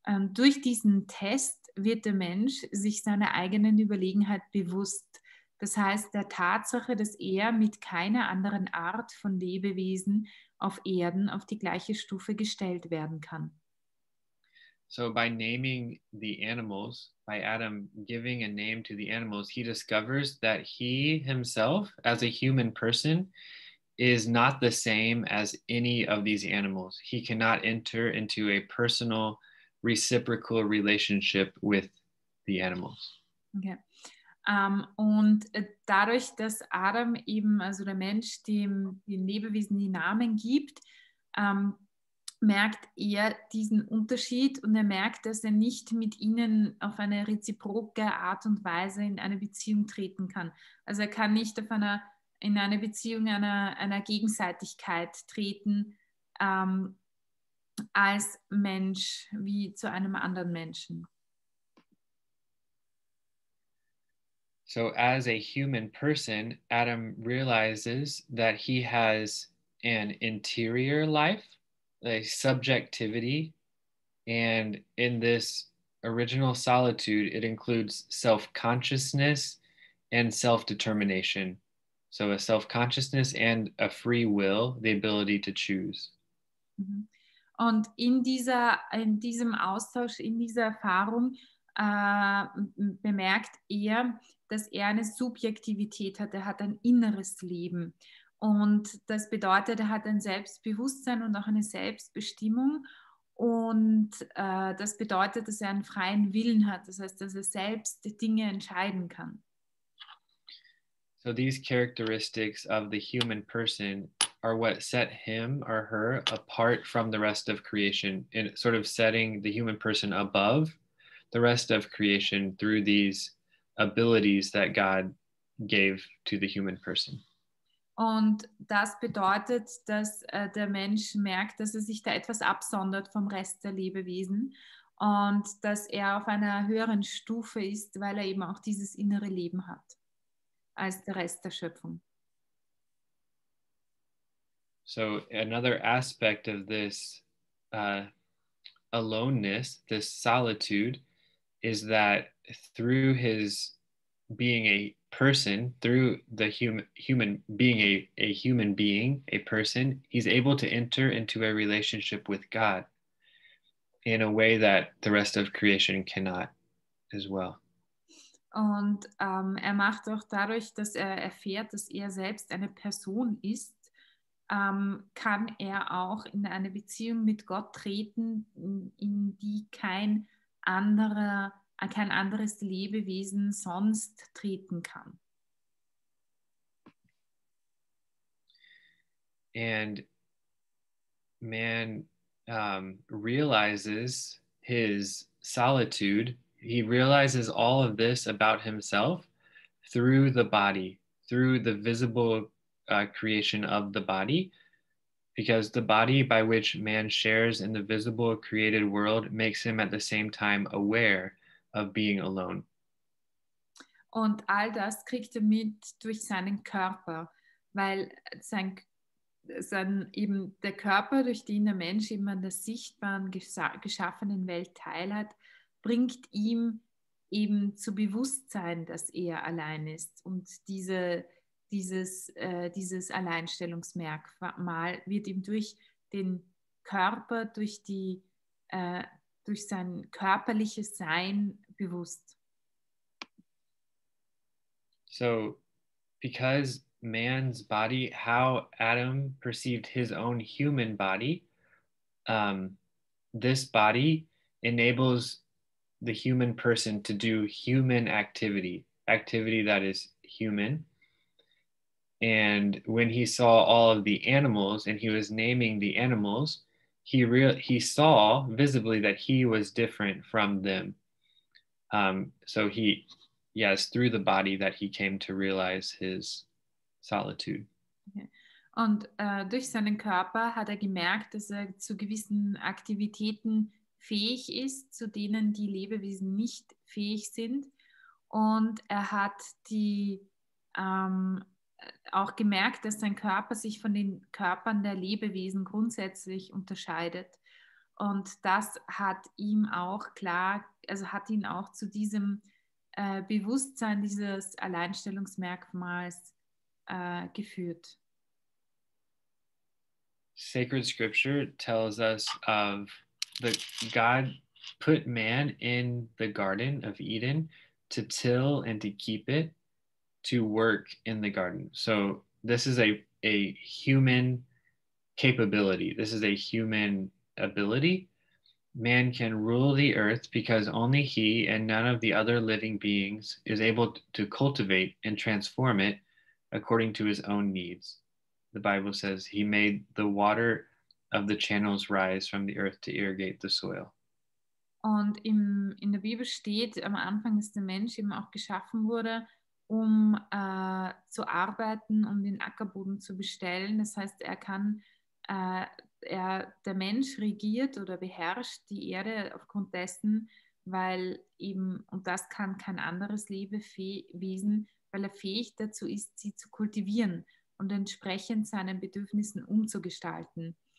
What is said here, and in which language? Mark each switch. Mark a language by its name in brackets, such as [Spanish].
[German] Durch diesen Test wird der Mensch sich seiner eigenen Überlegenheit bewusst. Das heißt, der Tatsache, dass er mit keiner anderen Art von Lebewesen auf Erden auf die gleiche Stufe gestellt werden kann. [English] So by naming the animals, by Adam giving a name to the animals, he discovers that he himself, as a human person, is not the same as any of these animals. He cannot enter into a personal, reciprocal relationship with the animals. Okay. [German] Und dadurch, dass Adam eben, also der Mensch, den Lebewesen die Namen gibt, merkt er diesen Unterschied und er merkt, dass er nicht mit ihnen auf eine reziproke Art und Weise in eine Beziehung treten kann. Also er kann nicht in eine Beziehung einer Gegenseitigkeit treten als Mensch wie zu einem anderen Menschen. [English] So as a human person, Adam realizes that he has an interior life, a subjectivity, and in this original solitude, it includes self-consciousness and self-determination. So a self-consciousness and a free will, the ability to choose. [German] Und in diesem Austausch, in dieser Erfahrung, bemerkt er, dass er eine Subjektivität hat, er hat ein inneres Leben. Und das bedeutet, er hat ein Selbstbewusstsein und auch eine Selbstbestimmung. Und das bedeutet, dass er einen freien Willen hat. Das heißt, dass er selbst die Dinge entscheiden kann. [English] So these characteristics of the human person are what set him or her apart from the rest of creation, in sort of setting the human person above the rest of creation through these abilities that God gave to the human person. [German] Und das bedeutet, dass der Mensch merkt, dass er sich da etwas absondert vom Rest der Lebewesen und dass er auf einer höheren Stufe ist, weil er eben auch dieses innere Leben hat als der Rest der Schöpfung. [English] So another aspect of this aloneness, this solitude, is that through his being a person, through the human being a human being, a person, he's able to enter into a relationship with God. in a way that the rest of creation cannot as well. [German] Und er macht doch dadurch, dass er erfährt, dass er selbst eine Person ist, kann er auch in eine Beziehung mit Gott treten, in die kein anderes Lebewesen sonst treten kann. [English] And man realizes his solitude. He realizes all of this about himself through the body, through the visible creation of the body, because the body by which man shares in the visible created world makes him at the same time aware of being alone. [German] Und all das kriegt er mit durch seinen Körper, weil sein eben der Körper, durch den der Mensch eben an der sichtbaren, geschaffenen Welt teilhat, bringt ihm eben zu Bewusstsein, dass er allein ist und dieses Alleinstellungsmerkmal wird ihm durch den Körper, durch sein körperliches Sein bewusst. [English] So, because man's body, how Adam perceived his own human body, this body enables the human person to do human activity that is human. And when he saw all of the animals and he was naming the animals, he saw visibly that he was different from them. So through the body that he came to realize his solitude. [German] Und durch seinen Körper hat er gemerkt, dass er zu gewissen Aktivitäten fähig ist, zu denen die Lebewesen nicht fähig sind. Und er hat die auch gemerkt, dass sein Körper sich von den Körpern der Lebewesen grundsätzlich unterscheidet. Und das hat ihm auch hat ihn auch zu diesem Bewusstsein dieses Alleinstellungsmerkmals geführt. [English] Sacred Scripture tells us of the God put man in the Garden of Eden to till and to keep it, to work in the garden. So this is a human capability. This is a human ability. Man can rule the earth because only he and none of the other living beings is able to cultivate and transform it according to his own needs. The Bible says he made the water of the channels rise from the earth to irrigate the soil. [German] Und in der Bibel steht am Anfang, dass der Mensch eben auch geschaffen wurde, um zu arbeiten, um den Ackerboden zu bestellen. Das heißt, der Mensch regiert oder beherrscht die Erde aufgrund dessen, weil eben, und das kann kein anderes Lebewesen, weil er fähig dazu ist, sie zu kultivieren und entsprechend seinen Bedürfnissen umzugestalten.